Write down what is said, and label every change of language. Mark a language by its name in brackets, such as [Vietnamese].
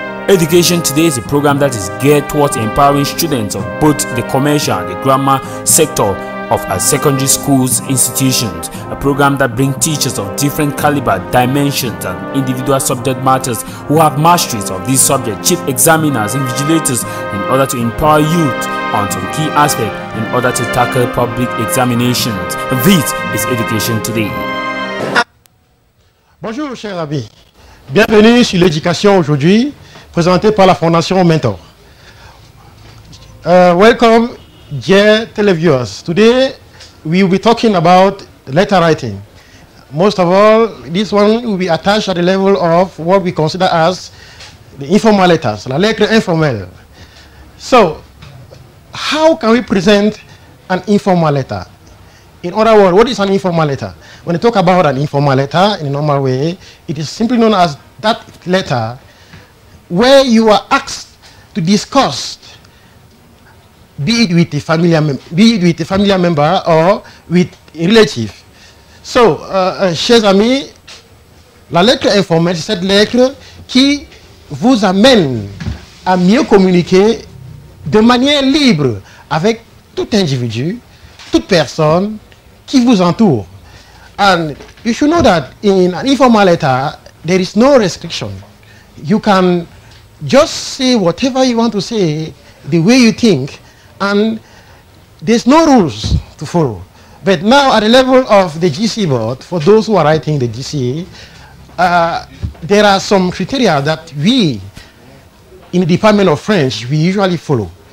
[English] Education Today is a program that is geared towards empowering students of both the commercial and the grammar sector of our secondary schools institutions, a program that brings teachers of different caliber, dimensions and individual subject matters who have masteries of these subjects, chief examiners, invigilators, in order to empower youth on some key aspects in order to tackle public examinations. This is Education Today. [French] Bonjour, cher ami. Bienvenue sur l'éducation aujourd'hui, présenté par la Fondation Mentor. [English] Welcome, dear televiewers. Today, we will be talking about letter writing. Most of all, this one will be attached at the level of what we consider as the informal letters, [French] la lettre informelle. [English] So, how can we present an informal letter? In other words, what is an informal letter? When you talk about an informal letter in a normal way, it is simply known as that letter where you are asked to discuss, be it with a familiar member or with a relative. [French] So, chers amis, la lettre informelle, c'est cette lettre qui vous amène à mieux communiquer de manière libre avec tout individu, toute personne qui vous entoure. [English] And you should know that in an informal letter, there is no restriction. You can just say whatever you want to say, the way you think, and there's no rules to follow. But now at the level of the GC board, for those who are writing the GC, there are some criteria that we, in the Department of French, we usually follow.